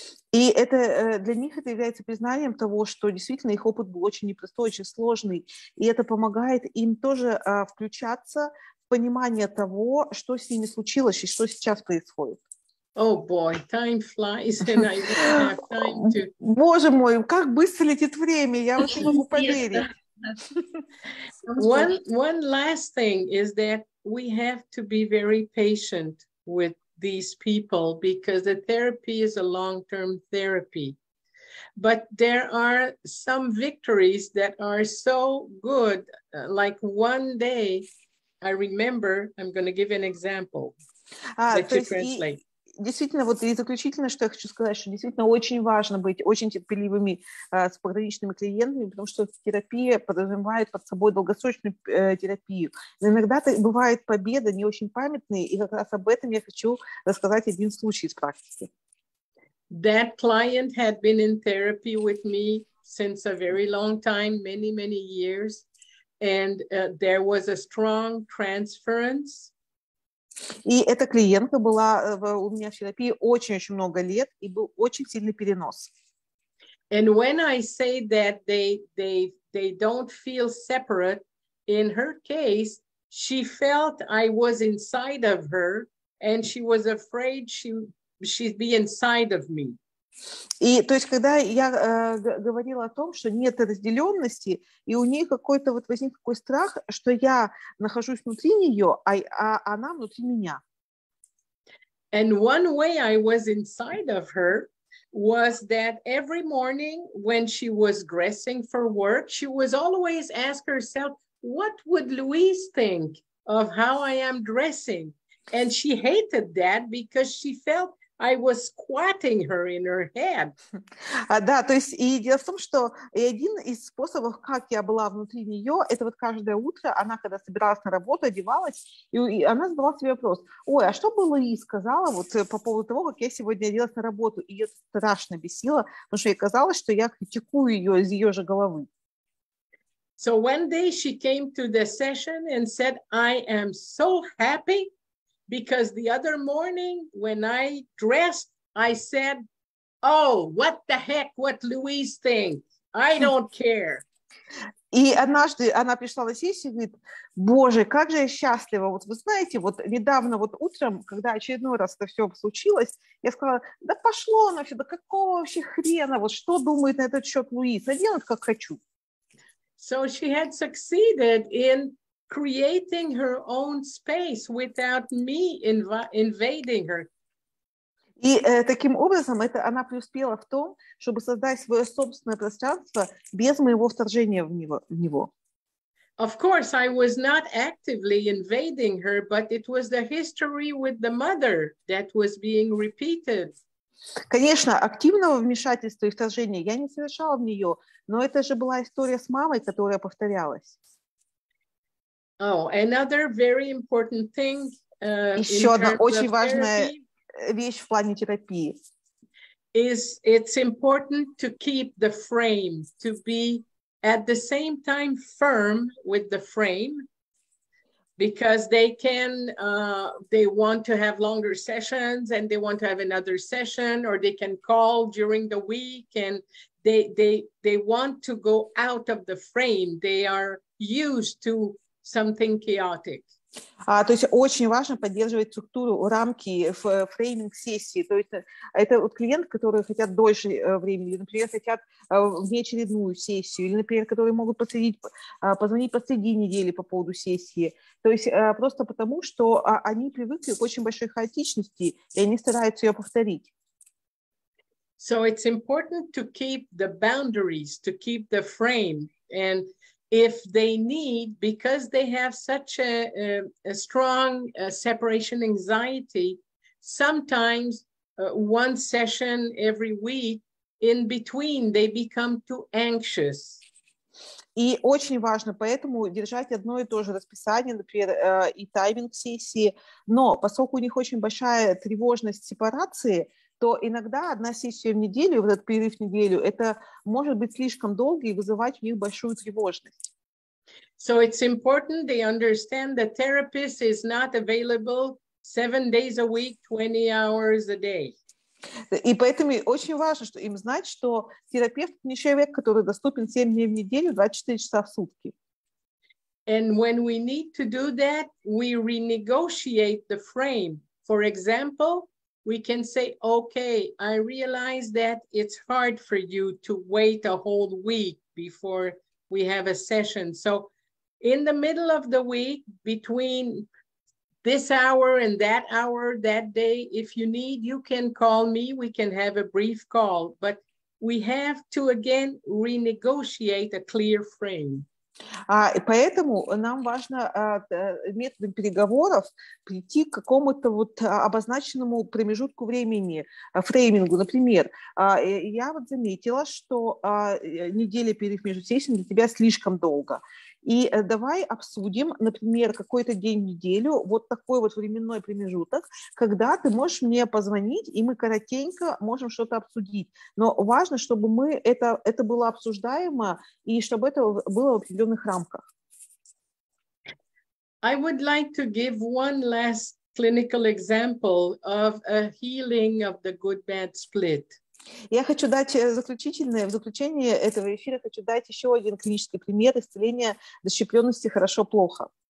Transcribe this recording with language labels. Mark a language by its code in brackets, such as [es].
[ru] И это для них это является признанием того, что действительно их опыт был очень непростой, очень сложный, и это помогает им тоже включаться в понимание того, что с ними случилось и что сейчас происходит. [en] Oh boy, time flies, and I don't have time to. [ru] Боже мой, как быстро летит время! Я уже не могу поверить. [en] One last thing is that we have to be very patient with these people because the therapy is a long-term therapy. But there are some victories that are so good. Like one day, I remember. I'm going to give an example. Let you translate. [ru] Действительно, вот и заключительное, что я хочу сказать, что действительно очень важно быть очень терпеливыми с пограничными клиентами, потому что терапия подразумевает под собой долгосрочную терапию. Но иногда бывают победы не очень памятные, и как раз об этом я хочу рассказать один случай из практики. [en] That client had been in therapy with me since a very long time, many, many years, and there was a strong transference. [ru] И эта клиентка была у меня в терапии очень-очень много лет, и был очень сильный перенос. [en] And when I say that they don't feel separate, in her case, she felt I was inside of her, and she was afraid she'd be inside of me. [ru] И то есть, когда я говорила о том, что нет разделенности, и у нее какой-то вот возник такой страх, что я нахожусь внутри нее, а она внутри меня. [en] And one way I was inside of her was that every morning when she was dressing for work, she was always ask herself, what would Louise think of how I am dressing? And she hated that because she felt I was squatting her in her head. [ru] Да, то есть и дело в том, что один из способов, как я была внутри нее, это вот каждое утро она, когда собиралась на работу, одевалась, и она задавала себе вопрос: ой, а что бы Луиз сказала вот по поводу того, как я сегодня оделась на работу? И ее страшно бесило, потому что ей казалось, что я критикую ее из ее же головы. [en] So one day she came to the session and said, I am so happy. Because the other morning, when I dressed, I said, oh, what the heck, what Louise think? I don't care. [ru] И однажды она пришла на сессию и говорит, боже, как же я счастлива. Вот вы знаете, вот недавно вот утром, когда очередной раз это все случилось, я сказала, да пошло оно все, да какого вообще хрена, вот что думает на этот счет Луиз, а делать как хочу. [en] So she had succeeded in creating her own space without me invading her. [ru] И таким образом это она преуспела в том, чтобы создать свое собственное пространство без моего вторжения в него. [en] Of course, I was not actively invading her, but it was the history with the mother that was being repeated. [ru] Конечно, активного вмешательства и вторжения я не совершала в нее, но это же была история с мамой, которая повторялась. [en] Oh, another very important thing. [ru] Еще одна очень важная вещь в плане терапии. [en] Is it's important to keep the frame, to be at the same time firm with the frame, because they can, they want to have longer sessions and they want to have another session, or they can call during the week and they want to go out of the frame. They are used to something chaotic. [ru] То есть очень важно поддерживать структуру, рамки, фрейминг сессии. То есть это вот клиенты, которые хотят дольше времени, или, например, хотят внеочередную сессию, или, например, которые могут позвонить посреди недели по поводу сессии. То есть просто потому, что они привыкли к очень большой хаотичности, и они стараются ее повторить. [en] So it's important to keep the boundaries, to keep the frame, and if they need, because they have such a strong separation anxiety, sometimes one session every week in between they become too anxious. [ru] И очень важно поэтому держать одно и то же расписание, например, и тайминг сессии. Но поскольку у них очень большая тревожность сепарации, то иногда одна сессия в неделю, вот этот перерыв в неделю, это может быть слишком долго и вызывать у них большую тревожность. [en] So it's important they understand that therapist is not available 7 days a week, 20 hours a day. [ru] И поэтому очень важно, что им знать, что терапевт не человек, который доступен 7 дней в неделю, 24 часа в сутки. [en] And when we need to do that, we renegotiate the frame. For example, we can say, okay, I realize that it's hard for you to wait a whole week before we have a session. So in the middle of the week, between this hour and that hour, that day, if you need, you can call me, we can have a brief call, but we have to again renegotiate a clear frame. [ru] Поэтому нам важно методом переговоров прийти к какому-то вот обозначенному промежутку времени, фреймингу. Например, я вот заметила, что неделя перед межсессией для тебя слишком долго. И давай обсудим, например, какой-то день в неделю, вот такой вот временной промежуток, когда ты можешь мне позвонить, и мы коротенько можем что-то обсудить. Но важно, чтобы мы это было обсуждаемо, и чтобы это было в определенных рамках. [en] I would like to give one last clinical example of a healing of the good-bad split. [ru] Я хочу дать заключительное, в заключение этого эфира хочу дать еще один клинический пример исцеления расщепленности хорошо-плохо.